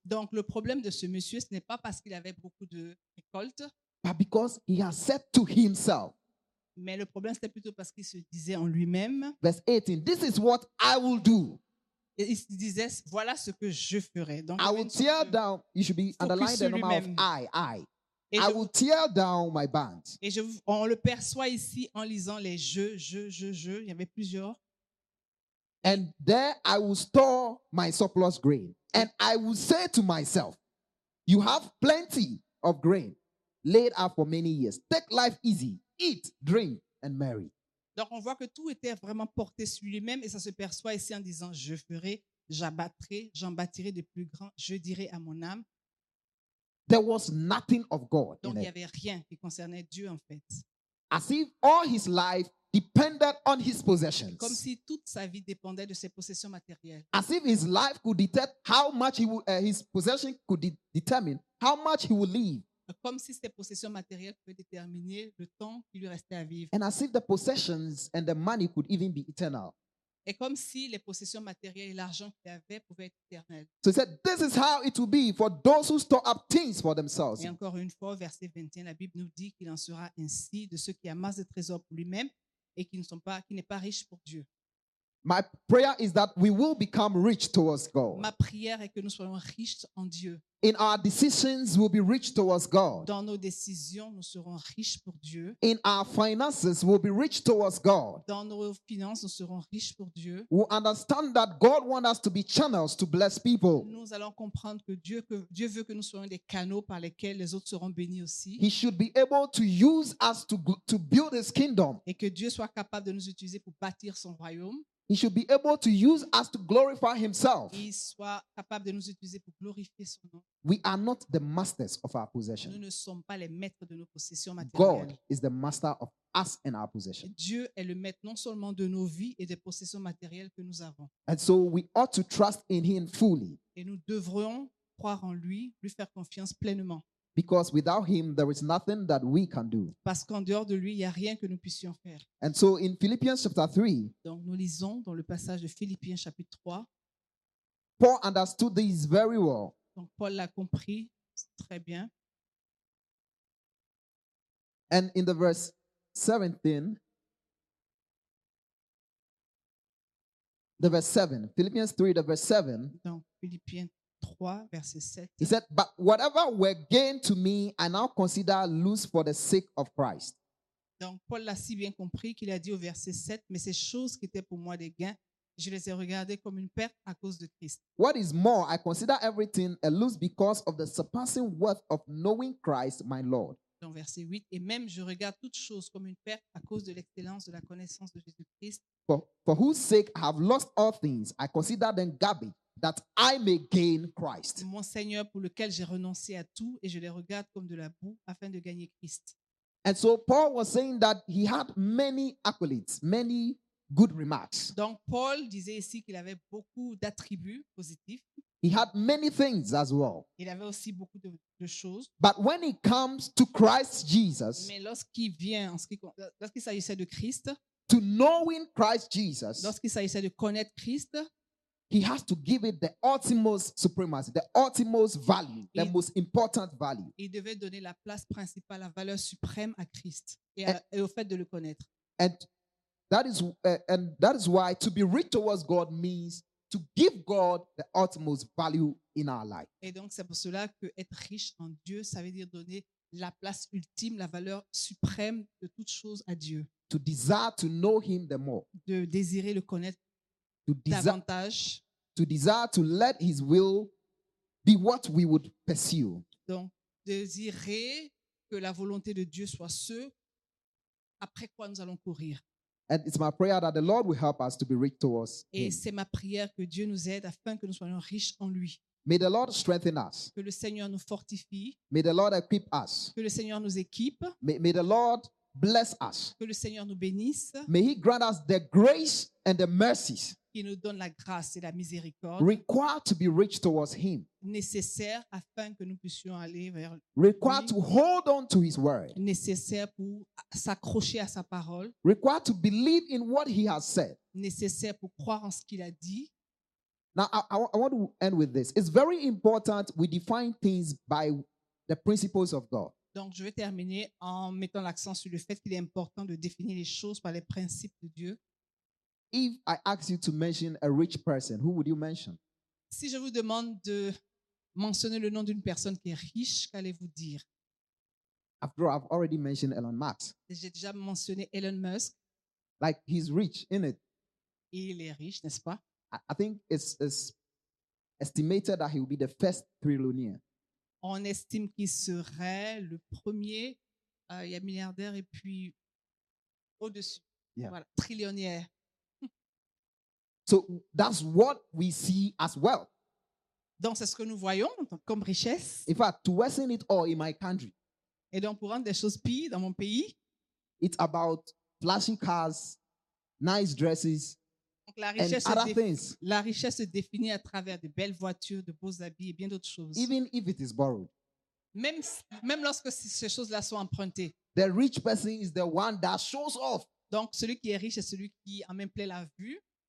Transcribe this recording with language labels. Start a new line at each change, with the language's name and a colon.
French: Donc le problème de ce monsieur, ce n'est pas parce qu'il avait beaucoup de récolte,
English: but because he has said to himself.
French: Mais le problème c'était plutôt parce qu'il se disait en lui-même.
English: Verse 18. This is what I will do.
French: Et il se disait voilà ce que je ferai. Donc
English: I will tear down. You should be underlined the number of I.
French: Je,
English: I will tear down my bands.
French: Et je, on le perçoit ici en lisant les jeux. Il y avait plusieurs.
English: And there I will store my surplus grain. And I will say to myself, you have plenty of grain laid up for many years. Take life easy. Eat, drink, and marry.
French: Donc on voit que tout était vraiment porté sur lui-même et ça se perçoit ici en disant, je ferai, j'abattrai, j'en bâtirai de plus grands, je dirai à mon âme.
English: There was nothing of God.
French: Donc il y avait rien qui concernait Dieu en fait.
English: As if all his life depended on his possessions.
French: Comme si toute sa vie dépendait de ses possessions matérielles.
English: As if his life could determine how much he would, his possession could determine how much he would live.
French: Comme si ses possessions matérielles pouvaient déterminer le temps qui lui restait à vivre.
English: And as if the possessions and the money could even be eternal.
French: Et comme si les possessions matérielles et l'argent qu'il avait pouvaient être éternels.
English: So he said, this is how it will be for those who store up things for themselves.
French: Et encore une fois, verset 21, la Bible nous dit qu'il en sera ainsi de ceux qui amassent des trésors pour lui-même et qui n'est pas riche pour Dieu.
English: My prayer is that we will become rich towards God.
French: Ma prière est que nous soyons riches en Dieu.
English: In our decisions, we'll be rich towards God.
French: Dans nos décisions, nous serons riches pour Dieu.
English: In our finances, we'll be rich towards God.
French: Dans nos finances, nous serons riches pour Dieu.
English: We'll understand that God wants us to be channels to bless people.
French: Nous allons comprendre que Dieu veut que nous soyons des canaux par lesquels les autres seront bénis aussi.
English: He should be able to use us to build his kingdom.
French: Et que Dieu soit capable de nous utiliser pour bâtir son royaume.
English: He should be able to use us to glorify himself.
French: Il soit capable de nous utiliser pour glorifier son nom.
English: We are not the masters of our possessions.
French: Nous ne sommes pas les maîtres de nos possessions matérielles.
English: God is the master of us and our possessions.
French: Dieu est le maître non seulement de nos vies et des possessions matérielles que nous avons.
English: And so we ought to trust in him fully.
French: Et nous devrions croire en lui, lui faire confiance pleinement.
English: Because without him, there is nothing that we can do.
French: Parce qu'en dehors de lui, il y a rien que nous puissions faire.
English: And so in Philippians chapter 3,
French: donc nous lisons dans le passage de Philippiens chapitre 3,
English: Paul understood this very well.
French: Donc Paul l'a compris très bien.
English: And in the verse 17, the verse 7, Philippians 3, the verse 7,
French: donc Philippiens 3, verset 7.
English: He said, but whatever were gained to me, I now consider loose for the sake of Christ.
French: Donc Paul l'a si bien compris qu'il a dit au verset 7, mais ces choses qui étaient pour moi des gains, je les ai regardées comme une perte à cause de Christ.
English: What is more, I consider everything a loss because of the surpassing worth of knowing Christ, my Lord.
French: Dans verset 8, et même je regarde toutes choses comme une perte à cause de l'excellence de la connaissance de Jésus-Christ.
English: For whose sake I have lost all things, I consider them garbage, that I may gain Christ.
French: Mon Seigneur, pour lequel j'ai renoncé à tout et je les regarde comme de la boue afin de gagner Christ.
English: And so Paul was saying that he had many accolades, many good remarks.
French: Donc Paul disait ici qu'il avait beaucoup d'attributs positifs.
English: He had many things as well.
French: Il avait aussi beaucoup de choses.
English: But when it comes to Christ Jesus,
French: mais lorsqu'il vient, lorsqu'il s'agissait de Christ,
English: to knowing Christ Jesus,
French: lorsqu'il s'agissait de connaître Christ,
English: he has to give it the utmost supremacy, the utmost value, the most important value.
French: Il devait donner la place principale, la valeur suprême à Christ et au fait de le connaître.
English: And that is why to be rich towards God means to give God the utmost value in our life.
French: Et donc c'est pour cela que être riche en Dieu, ça veut dire donner la place ultime, la valeur suprême de toute chose à Dieu.
English: To desire to know him the more.
French: De désirer le connaître davantage.
English: To desire to let his will be what we would pursue.
French: Donc désirer que la volonté de Dieu soit ce après quoi nous allons courir.
English: And it's my prayer that the Lord will help us to be rich towards him.
French: Et c'est ma prière que Dieu nous aide afin que nous soyons riches en lui.
English: May the Lord strengthen us.
French: Que le Seigneur nous fortifie.
English: May the Lord equip us.
French: Que le Seigneur nous équipe.
English: May the Lord bless us.
French: Que le Seigneur nous bénisse.
English: May he grant us the grace and the mercies.
French: Qui nous donne la grâce et la miséricorde.
English: Required to be rich towards him.
French: Nécessaire afin que nous puissions aller vers lui.
English: Required to hold on to his word.
French: Nécessaire pour s'accrocher à sa parole.
English: Required to believe in what he has said.
French: Nécessaire pour croire en ce qu'il a dit.
English: Now I want to end with this. It's very important we define things by the principles of God.
French: Donc je vais terminer en mettant l'accent sur le fait qu'il est important de définir les choses par les principes de Dieu.
English: If I ask you to mention a rich person, who would you mention?
French: Si je vous demande de mentionner le nom d'une personne qui est riche, qu'allez-vous dire?
English: After all, I've already mentioned Elon Musk.
French: J'ai déjà mentionné Elon Musk.
English: Like he's rich, isn't it?
French: Il est riche, n'est-ce pas?
English: I think it's estimated that he will be the first trillionaire.
French: On estime qu'il serait le premier milliardaire et puis au-dessus.
English: Yeah.
French: Voilà, trillionnaire.
English: So that's what we see as well.
French: Donc c'est ce que nous voyons comme richesse.
English: In fact, to worsen it all in my country.
French: Et donc pour rendre des choses pires dans mon pays.
English: It's about flashy cars, nice dresses, and other things.
French: La richesse se définit à travers de belles voitures, de beaux habits et bien d'autres choses.
English: Even if it is borrowed.
French: Même lorsque ces choses-là sont empruntées.
English: The rich person is the one that shows off.
French: Donc celui qui est riche est celui qui en même plaît la vue.